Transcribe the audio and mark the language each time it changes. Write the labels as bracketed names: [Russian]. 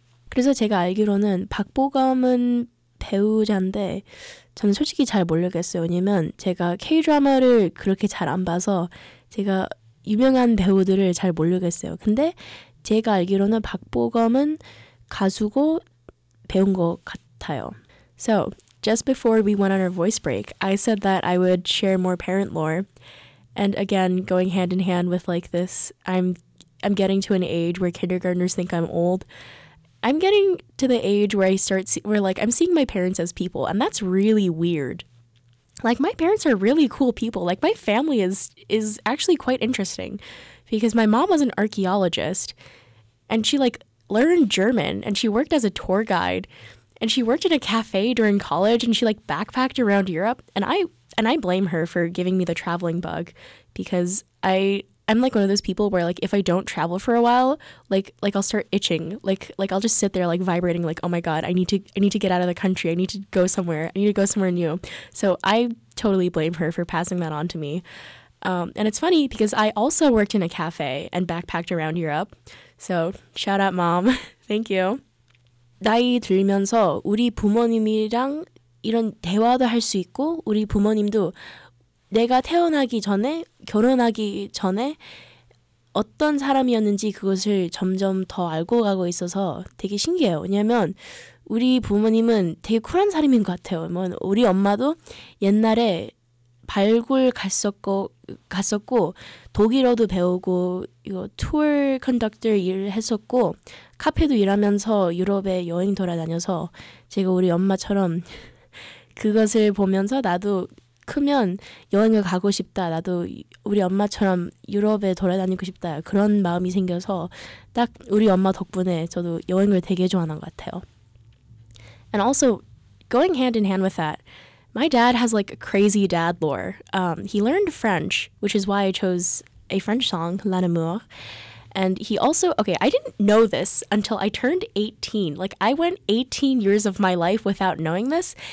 [Korean] 그래서 제가 알기로는 박보검은 배우자인데 저는 솔직히 잘 모르겠어요. 왜냐면 제가 K-drama를 그렇게 잘 안 봐서 제가 유명한 배우들을 잘 모르겠어요. 근데 제가 알기로는 박보검은 가수고 배운 것 같아요. [English] So, just before we went on our voice break, I said that I would share more parent lore. And again, going hand in hand with like this, I'm getting to an age where kindergartners think I'm old. I'm getting to the age where I start, I'm seeing my parents as people, and that's really weird. Like, my parents are really cool people. Like, my family is actually quite interesting. Because my mom was an archaeologist, and she, like, learned German, and she worked as a tour guide, and she worked in a cafe during college, and she, like, backpacked around Europe. And I blame her for giving me the traveling bug, because I'm, like, one of those people where, like, if I don't travel for a while, like I'll start itching. Like I'll just sit there, like, vibrating, like, oh, my God, I need to get out of the country. I need to go somewhere. I need to go somewhere new. So I totally blame her for passing that on to me. And it's funny because I also worked in a cafe and backpacked around Europe. So shout out, mom. Thank you. [Korean] 나이 들면서 우리 부모님이랑 이런 대화도 할 수 있고 우리 부모님도 내가 태어나기 전에 결혼하기 전에 어떤 사람이었는지 그것을 점점 더 알고 가고 있어서 되게 신기해요. 왜냐하면 우리 부모님은 되게 쿨한 사람인 것 같아요. 뭐 우리 엄마도 옛날에 발굴 갔었고 독일어도 배우고 이거 투어 컨덕터 일을 했었고 카페도 일하면서 유럽에 여행 돌아다녀서 제가 우리 엄마처럼 그것을 보면서 나도 크면 여행을 가고 싶다 나도 우리 엄마처럼 유럽에 돌아다니고 싶다 그런 마음이 생겨서 딱 우리 엄마 덕분에 저도 여행을 되게 좋아하는 것 같아요. [English] And also going hand in hand with that, my dad has, like, crazy dad lore. He learned French, which is why I chose a French song, L'Amour. And he also, okay, I didn't know this until I turned 18. Like, I went 18 years of my life without knowing this.